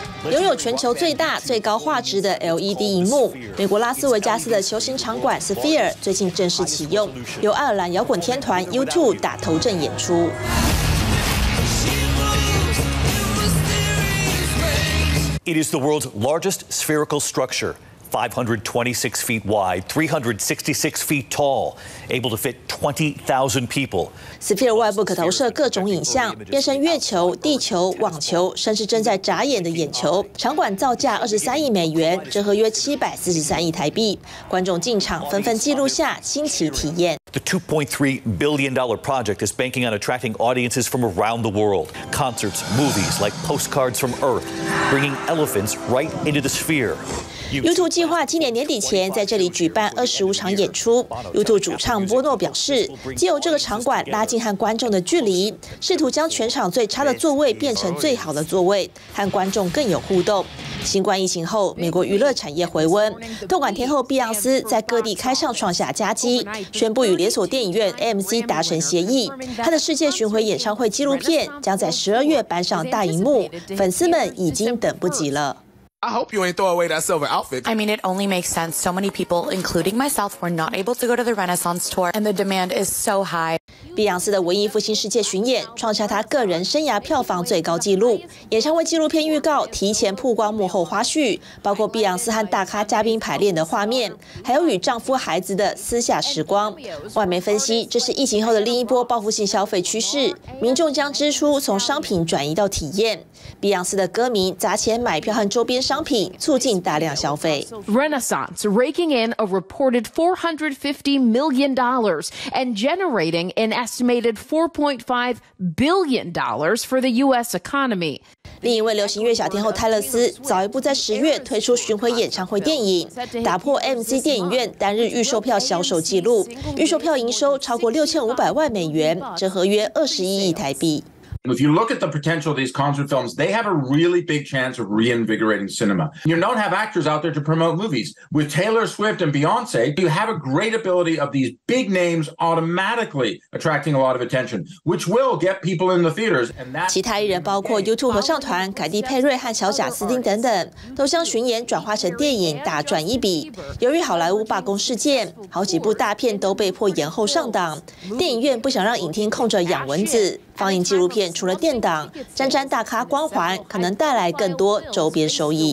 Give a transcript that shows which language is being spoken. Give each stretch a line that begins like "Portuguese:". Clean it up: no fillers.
Chinese: 拥有全球最大、最高画质的 LED 荧幕，美国拉斯维加斯的球形场馆 Sphere 最近正式启用，由爱尔兰摇滚天团 U2 打头阵演出。
English: It is the world's largest spherical structure, 526 feet wide, 366 feet tall, able to fit 20,000 people.
Chinese: Sphere 外部可投射各种影像，变身月球、地球、网球，甚至正在眨眼的眼球。场馆造价23亿美元，折合约743亿台币。观众进场，纷纷记录下新奇体验。
English: The $2.3 billion project is banking on attracting audiences from around the world. Concerts, movies, like postcards from Earth, bringing elephants right into the sphere.
Chinese: U2 计划今年年底前在这里举办25场演出。 U2 主唱波诺表示，借由这个场馆拉近和观众的距离，试图将全场最差的座位变成最好的座位，和观众更有互动。新冠疫情后，美国娱乐产业回温，动感天后碧昂斯在各地开唱创下佳绩，宣布与连锁电影院 AMC 达成协议，他的世界巡回演唱会纪录片将在12月搬上大荧幕，粉丝们已经等不及了。
English: I hope you ain't throw away that silver outfit. I mean, it only makes sense. So many people, including myself, were not able to go to the Renaissance tour, and the demand is so high.
Chinese: 碧昂斯的文艺复兴世界巡演创下她个人生涯票房最高纪录。演唱会纪录片预告提前曝光幕后花絮，包括碧昂斯和大咖嘉宾排练的画面，还有与丈夫、孩子的私下时光。外媒分析，这是疫情后的另一波报复性消费趋势，民众将支出从商品转移到体验。碧昂斯的歌迷砸钱买票和周边商品，促进大量消费。
English: Renaissance raking in a reported $450 million and generating an estimated $4.5 billion for the U.S. economy.
Chinese: 另一位流行乐小天后泰勒斯早一步在10月推出巡回演唱会电影，打破 AMC 电影院单日预售票销售纪录，预售票营收超过6500万美元，折合约21亿台币。
English: If you look at the potential of these concert films, they have a really big chance of reinvigorating cinema. You don't have actors out there to promote movies. With Taylor Swift and Beyonce, you have a great ability of these big names automatically attracting a lot of attention, which will get people in the theaters.
Chinese: 其他艺人包括 U2 合唱团、凯蒂·佩瑞和小贾斯汀等等，都将巡演转化成电影，大赚一笔。由于好莱坞罢工事件，好几部大片都被迫延后上档。电影院不想让影厅空着养蚊子。放映纪录片除了电档，沾沾大咖光环，可能带来更多周边收益。